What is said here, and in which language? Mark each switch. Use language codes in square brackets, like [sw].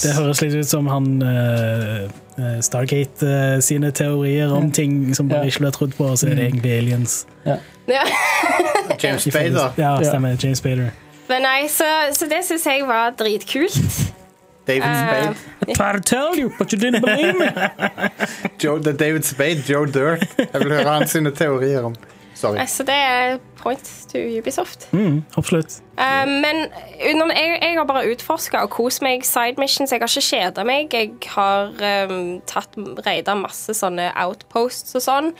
[no] Det høres litt ut som han... Stargate sine teorier om ting som bare ikke ble trodd på, og så er det egentlig aliens. James Spader. Ja, stemmer, James Spader. Men nei, så det synes jeg var dritkult. David Spade. [en] I tried to tell you, but you didn't believe me. [no] Joe, David Spade, Joe Dirt. Jeg vil høre hans sine teorier om. Sorry. Så det er [en] point to [no] Ubisoft. Absolutt. Men jeg har bare utforsket og koset meg side missions. Jeg har ikke kjedet meg. Jeg har tatt reidet masse sånne outposts og sånn.